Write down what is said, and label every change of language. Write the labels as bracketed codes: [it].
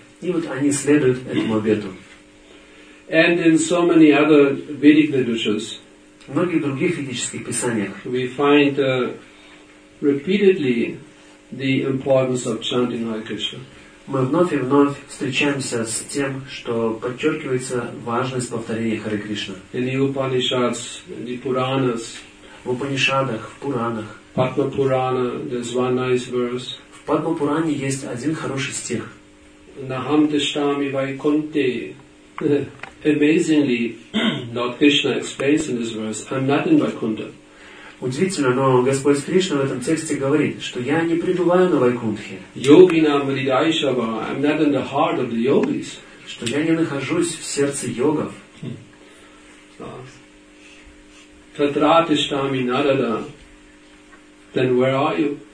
[ru] И вот они следуют этому обету. [en] And in so many other Vedic literatures, [ru] в многих других ведических писаниях, [en] we find repeatedly the importance of chanting Hare Krishna. [ru] мы вновь и вновь встречаемся с тем, что подчеркивается важность повторения Харе Кришна. В Упанишадах, в Пуранах. [en] Padma Purana, there's one nice verse. [ru] В Падма Пуране есть один хороший стих. [sa] Naham tishtami vaikunte. [en] Amazingly, Lord Krishna explains in this verse, I'm not in Vaikuntha. [ru] Удивительно, но Господь Кришна в этом тексте говорит, что я не пребываю на Вайкунтхе. [sa] Yoginam vridaishava, [en] I'm not in the heart of the yogis. [ru] Что я не нахожусь в сердце йогов. [sa] Tatra tishtami narada. [en] Then where are you?